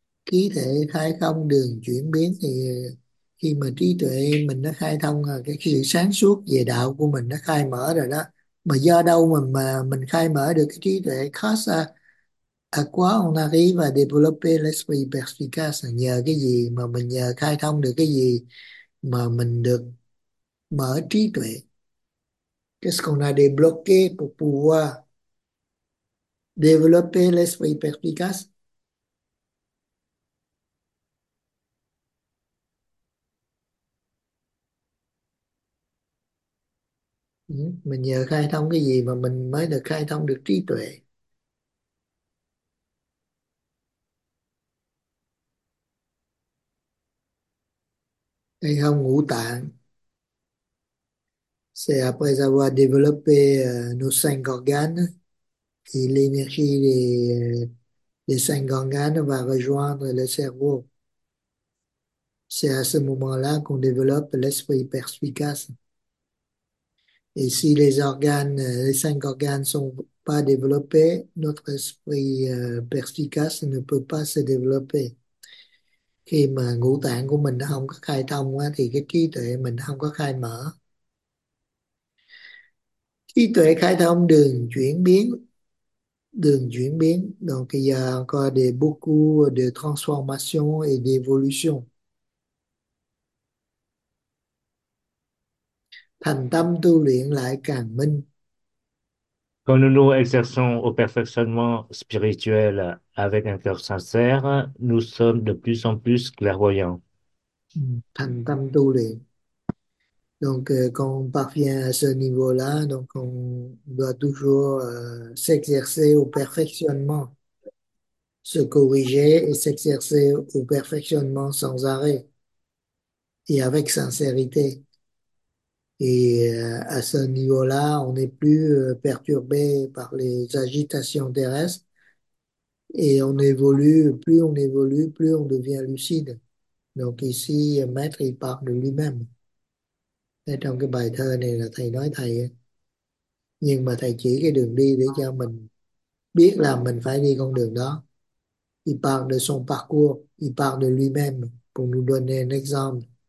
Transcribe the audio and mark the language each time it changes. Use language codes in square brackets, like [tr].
[vi] Trí tuệ khai thông đường chuyển biến thì khi mà trí tuệ mình nó khai thông, cái sự sáng suốt về đạo của mình nó khai mở rồi đó. Mà do đâu mà mình khai mở được cái trí tuệ, khó acquire, [fr] on arrive [vi] và [fr] développer l'esprit perspicace, [vi] nhờ cái gì mà mình nhờ khai thông được cái gì mà mình được mở trí tuệ. [fr] Qu'est-ce qu'on a débloqué pour pouvoir développer l'esprit perspicace? [vi] Mình nhờ khai thông cái gì mà mình mới được khai thông được trí tuệ? Hay không ngũ tạng? [fr] C'est après avoir développé nos cinq organes et l'énergie des cinq organes va rejoindre le cerveau. C'est à ce moment-là qu'on développe l'esprit perspicace. Et si les cinq organes ne sont pas développés, notre esprit perspicace ne peut pas se développer. [vi] Khi mà ngũ tạng của mình nó không có khai thông quá, thì cái trí tuệ mình không có khai mở. Trí tuệ khai thông đường chuyển biến. Đường chuyển biến. [fr] Donc, il y a encore des beaucoup de transformations et d'évolutions. [vi] Thành tâm tu luyện lại càng minh. [fr] Quand nous nous exerçons au perfectionnement spirituel avec un cœur sincère, nous sommes de plus en plus clairvoyants. [vi] Thành tâm tu luyện. [fr] Donc, quand on parvient à ce niveau-là, donc on doit toujours s'exercer au perfectionnement, se corriger et s'exercer au perfectionnement sans arrêt et avec sincérité. Et à ce niveau-là, on n'est plus perturbé par les agitations terrestres et on évolue, plus on évolue, plus on devient lucide. Donc ici, maître, il parle de lui-même. Et [vi] trong cái bài thơ này là thầy nói thầy, nhưng mà thầy chỉ cái đường đi để cho mình biết là mình phải đi con đường đó. [fr] Il parle de son parcours, il parle de lui-même pour nous donner un exemple.